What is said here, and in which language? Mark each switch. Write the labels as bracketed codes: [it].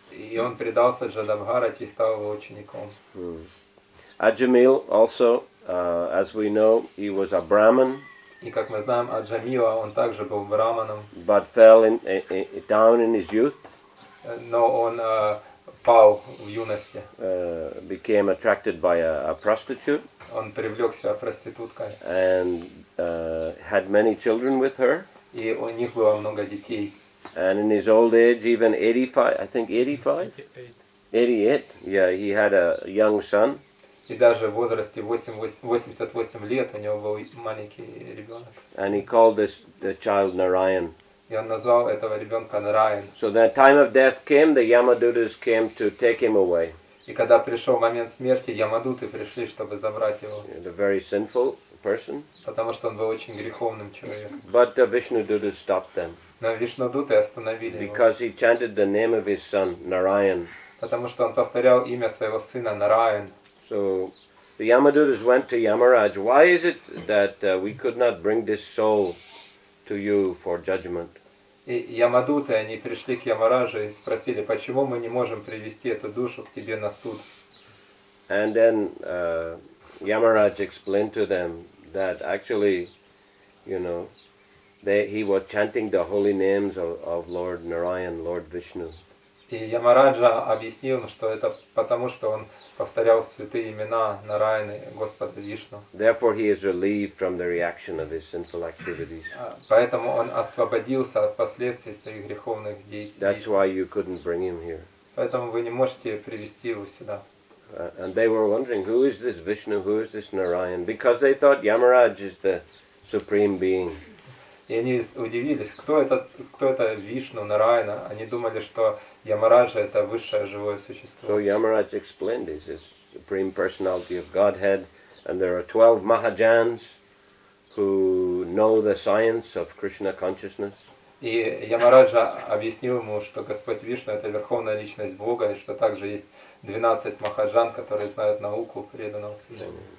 [ru] И он предался Джада Бхарате и стал его учеником. [en] Аджамил also, as we know, he was a Brahmin. [ru] И как мы знаем, Аджамила, он также был Брахманом. [en] But fell down in his youth. [ru] Но он пал в юности. [en] Became attracted by a prostitute. [ru] Он привлек себя проституткой. [en] And had many children with her. [ru] И у них было много детей. [en] And in his old age, even 85, I think 85? 88. Yeah, he had a young son. [ru] И даже в возрасте 88 лет у него был маленький ребенок. [en] And he called the child Narayan. [ru] И он назвал этого ребенка Нараян. [en] So the time of death came, the Yamadutas came to take him away. [ru] И когда пришел момент смерти, Ямадуты пришли, чтобы забрать его. [en] A very sinful person. [ru] Потому что он был очень греховным человеком. [en] But the Vishnudutas stopped them. [ru] Но Вишнудуты остановили его. [en] Because he chanted the name of his son Narayan. [ru] Потому что он повторял имя своего сына Нараян. [en] So the Yamadutas went to Yamaraj. Why is it that we could not bring this soul to you for judgment? [ru] И Ямадуты они пришли к Ямараджу и спросили, почему мы не можем привести эту душу к тебе на суд? [en] And then Yamaraj explained to them that actually, you know, he was chanting the holy names of Lord Narayan, Lord Vishnu. [ru] И Ямараджа объяснил, что это потому, что он повторял святые имена Нараяны, Господа Вишну. [en] Therefore he is relieved from the reaction of his sinful activities. [ru] Поэтому он освободился от последствий своих греховных действий. [en] That's why you couldn't bring him here. [ru] Поэтому вы не можете привести его сюда. [en] And they were wondering, who is this Vishnu, who is this Narayan? Because they thought Yamaraj is the supreme being. [ru] И они удивились, кто это Вишну, Нарайана. Они думали, что Ямараджа это высшее живое существо. [en] So Yamaraj explained this, the supreme personality of Godhead, and there are 12 Mahajans who know the science of Krishna consciousness. [ru] И Ямараджа объяснил ему, что Господь Вишну это верховная личность Бога, и что также есть 12 Махаджан, которые знают науку преданного служения.